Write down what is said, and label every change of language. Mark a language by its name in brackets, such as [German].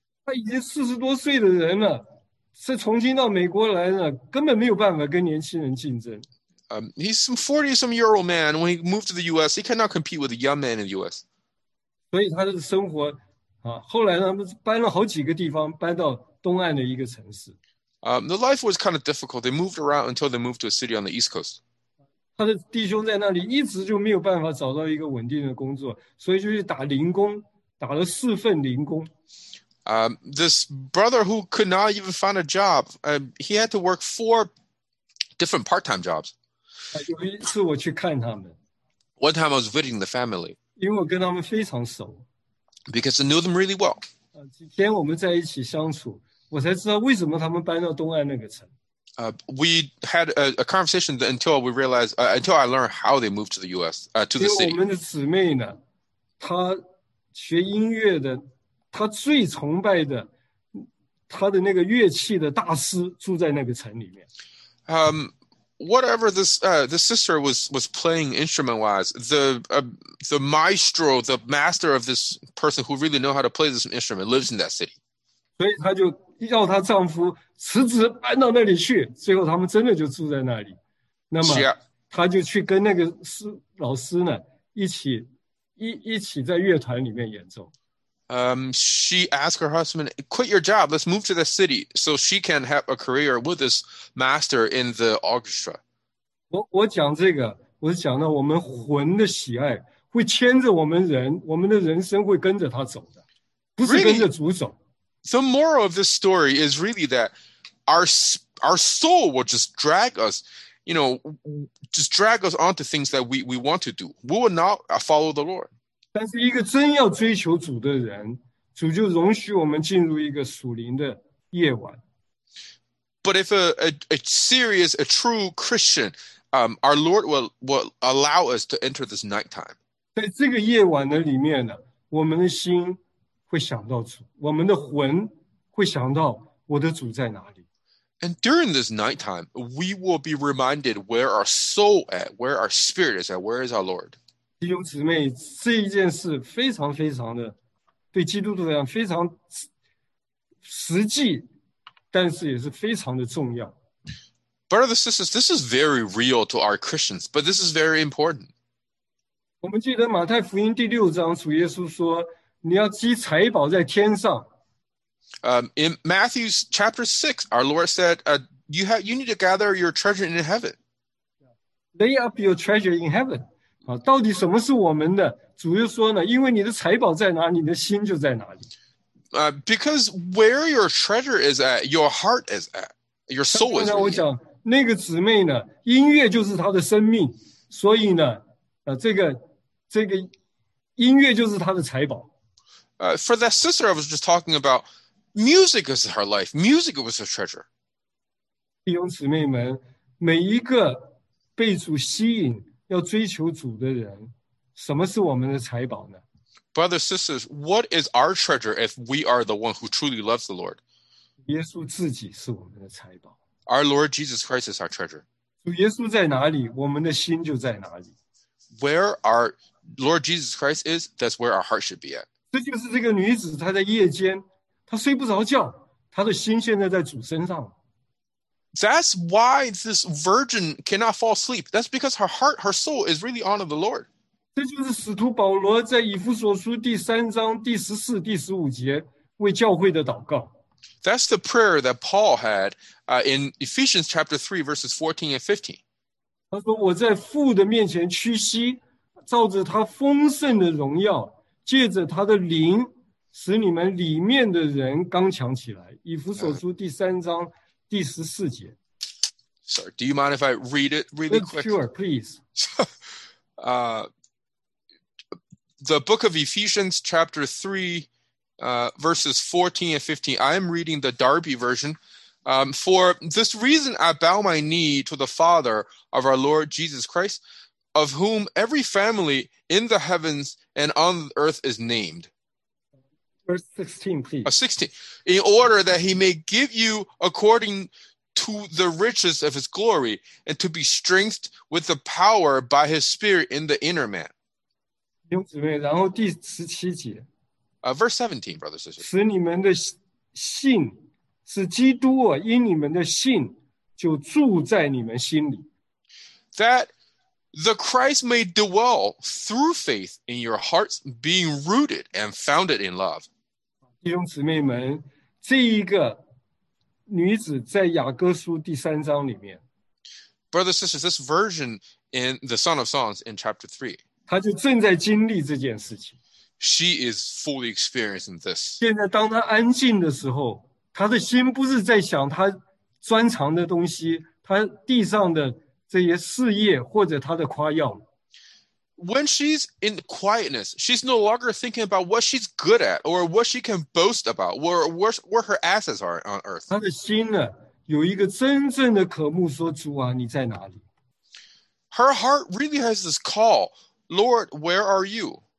[Chinese] 他已经四十多岁的人了，是重新到美国来呢，根本没有办法跟年轻人竞争。 [English] He's some 40-some-year-old man. When he moved to the U.S., he cannot compete with a young man in the U.S. [Chinese] 所以他的生活，后来他们搬了好几个地方，搬到东岸的一个城市。 [English] The life was kind of difficult. They moved around until they moved to a city on the East Coast. [Chinese] 他的弟兄在那里一直就没有办法找到一个稳定的工作，所以就去打零工，打了四份零工。 [English] This brother who could not even find a job, he had to work four different part-time jobs. [Chinese] 有一次我去看他们。 [English] One time I was visiting the family. [Chinese] 因为我跟他们非常熟。 [English] Because I knew them really well. [Chinese] 几天我们在一起相处，我才知道为什么他们搬到东岸那个城。 [English] We had a conversation until we realized, until I learned how they moved to the U.S., to the city. [Chinese] 我们的姊妹呢，她学音乐的，她最崇拜的，她的那个乐器的大师住在那个城里面。 [English] Whatever the sister was playing instrument-wise, the maestro, the master of this person who really know how to play this instrument lives in that city. [Chinese] 所以她就要她丈夫辞职搬到那里去，最后他们真的就住在那里。那么他就去跟那个老师呢一起在乐团里面演奏。 [English] She asked her husband, "Quit your job, let's move to the city, so she can have a career with this master in the orchestra." [Chinese] 我讲这个，我是讲到我们魂的喜爱会牵着我们人，我们的人生会跟着他走的，不是跟着主走。 [English] Really? The moral of this story is really that our soul will just drag us, you know, just drag us onto things that we want to do. We will not follow the Lord. [Chinese] 但是一个真要追求主的人，主就容许我们进入一个属灵的夜晚。 [English] But if a serious, a true Christian, our Lord will allow us to enter this nighttime. [Chinese] 在这个夜晚的里面呢，我们的心会想到主，我们的魂会想到我的主在哪里。 [English] And during this night time, we will be reminded where our soul at, where our spirit is at, where is our Lord. [Chinese] 弟兄姊妹，这一件事非常非常的，对基督徒来讲非常实际，但是也是非常的重要。 [English] Brothers and sisters, this is very real to our Christians, but this is very important. [Chinese] 我们记得马太福音第六章，主耶稣说你要积财宝在天上。 [English] In Matthew chapter 6, our Lord said, you need to gather your treasure in heaven. Lay up your treasure in heaven. [Chinese] 到底什么是我们的？主就说呢，因为你的财宝在哪里，你的心就在哪里。 [English] Because where your treasure is at, your heart is at, your soul is at. 刚 [Chinese] 才我讲，那个姊妹呢，音乐就是她的生命，所以呢，这个音乐就是她的财宝。 [English] For that sister I was just talking about, music is her life. Music was her treasure. [Chinese] 弟兄姊妹们，每一个被主吸引、要追求主的人，什么是我们的财宝呢？ [English] Brothers, sisters, what is our treasure if we are the one who truly loves the Lord? [Chinese] 耶稣自己是我们的财宝。 [English] Our Lord Jesus Christ is our treasure. [Chinese] 主耶稣在哪里，我们的心就在哪里。 [English] Where our Lord Jesus Christ is, that's where our heart should be at. [Chinese] 这就是这个女子，她在夜间，她睡不着觉，她的心现在在主身上。 [English] That's why this virgin cannot fall asleep. That's because her heart, her soul is really on the Lord. [Chinese] 这就是使徒保罗在以弗所书第三章第十四、第十五节为教会的祷告。 [English] That's the prayer that Paul had in Ephesians chapter 3, verses 14 and 15. [Chinese] 他说我在父的面前屈膝, 照着他丰盛的荣耀, 借着他的灵, 使你们里面的人刚强起来, 以弗所书第三章, 第十四节。 [English] Sorry, do you mind if I read it really quick? Sure, please. The book of Ephesians chapter 3, verses 14 and 15. I am reading the Darby version. For this reason, I bow my knee to the Father of our Lord Jesus Christ, of whom every family in the heavens and on earth is named. Verse 16, please. 16. In order that he may give you according to the riches of his glory and to be strengthened with the power by his spirit in the inner man. [Chinese] 弟兄姊妹, 然后第17节, [English] verse 17, brothers and sisters. [Chinese] 使你们的信, 是基督啊, 因你们的信, 就住在你们心里。 [English] That the Christ may dwell through faith in your hearts, being rooted and founded in love. [Chinese] 弟兄姊妹们, 这一个, 女子在雅各书第三章里面, [English] brothers and sisters, this version in the Song of Songs in chapter 3. [Chinese] 她就正在经历这件事情。 [English] She is fully experiencing this. [Chinese] 现在当她安静的时候, 她的心不是在想她专长的东西, 她地上的这些事业或者她的夸耀。 [English] When she's in quietness, she's no longer thinking about what she's good at or what she can boast about or where her assets are on earth. [Chinese] 她的心呢, 有一个真正的渴慕说主啊, [English] her heart really has this call, Lord, where are you?